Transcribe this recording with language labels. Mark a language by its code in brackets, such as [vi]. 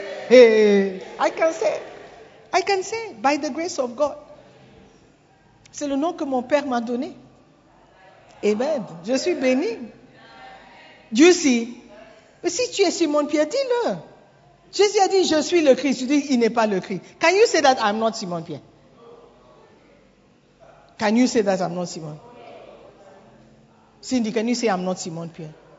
[en] Hey, I can say, by the grace of God. [fr] C'est le nom que mon père m'a donné. Amen. Je suis béni. [en] You see? [fr] Mais si tu es Simon Pierre, dis-le. Jésus a dit, je suis le Christ. Tu dis, il n'est pas le Christ. [en] Can you say that I'm not Simon Pierre? Can you say that I'm not Simon? Cindy, can you say I'm not Simon Pierre?